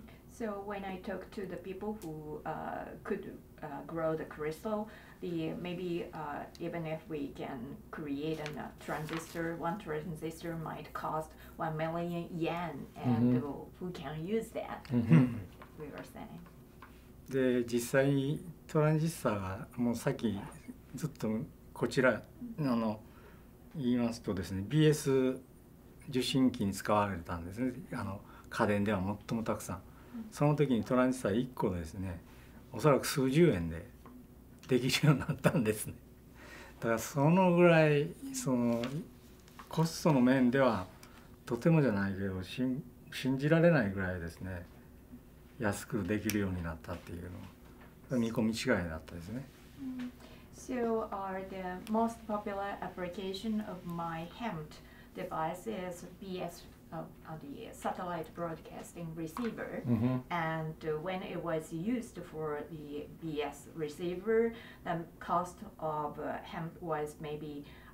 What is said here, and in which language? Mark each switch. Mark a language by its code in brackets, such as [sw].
[en] So when I talk to the people who could grow the crystal, even if we can create a transistor, one transistor might cost 1 million yen, and who can use that? We were saying. [ja] で実際トランジスタがもうさっきずっとこちら言いますとですね、BS 受信機に使われたんですね、家電では最もたくさん。その時にトランジスタ1個ですね、おそらく数十円でできるようになったんですね。だからそのぐらい、そのコストの面ではとてもじゃないけど信じられないぐらいですね、安くできるようになったっていうのは見込み違いだったですね。 [en] So are the most popular application of my hemp device is BS of the satellite broadcasting receiver, and when it was used for the BS receiver, the cost of hemp was maybe